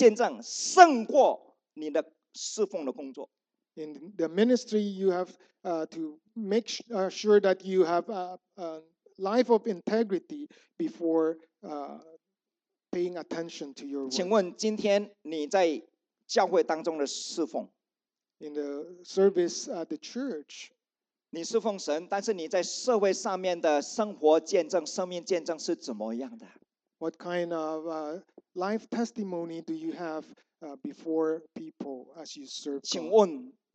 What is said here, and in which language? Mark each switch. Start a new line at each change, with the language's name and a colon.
Chinese: 你在侍奉的上面，你要保守自己的见证，自己的生命的见证，胜过你的。侍奉的工作,
English: in the ministry, you have to make sure that you have a life of integrity before paying attention to your work.
Chinese: 请问今天你在教会当中的侍奉,
English: in the service at the church,
Chinese: 你侍奉神, 但是你在社会上面的生活见证、生命见证是怎么样的?
English: What kind of life testimony do you have before people as you serve God?